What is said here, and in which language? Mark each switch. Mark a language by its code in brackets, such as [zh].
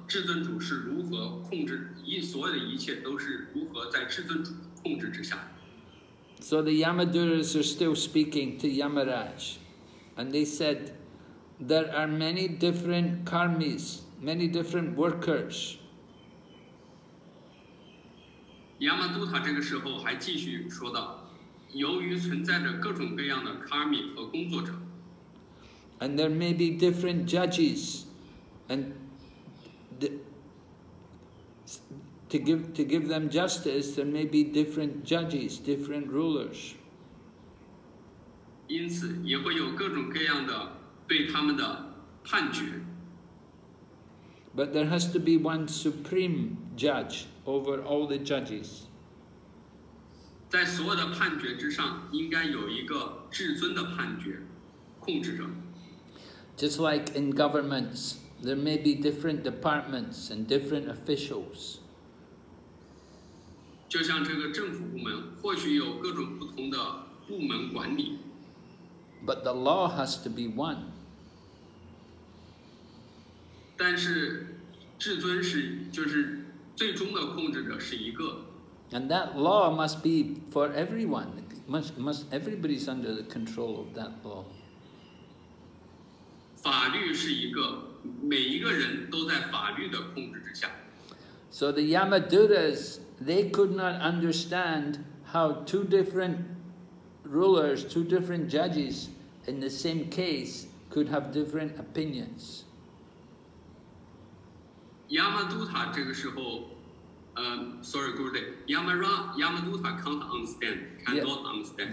[zh] 至尊主是如何控制所有的一切都是如何在至尊主控制之下。 [en] So the Yamaduras are still speaking to Yamaraj, and they said, there are many different karmis, many different workers. [zh] Yamaduta 这个时候还继续说道，由于存在着各种各样的 karmi 和工作者。 [en] And there may be different judges, and to give them justice, there may be different judges, different rulers. [zh] 因此也会有各种各样的对他们的判决。 [en] But there has to be one supreme judge over all the judges. [zh] 在所有的判决之上，应该有一个至尊的判决控制者。 [en] Just like in governments. There may be different departments and different officials. [zh] 就像这个政府部门，或许有各种不同的部门管理。 [en] But the law has to be one. [zh] 但是，至尊是就是最终的控制者是一个。 [en] And that law must be for everyone. Must everybody's under the control of that law. [zh] 法律是一个，每一个人都在法律的控制之下。 [en] So the Yamaduras, they could not understand how two different rulers, two different judges in the same case could have different opinions. [zh] Yamadutta, 这个时候Yamadutta [en] can't understand,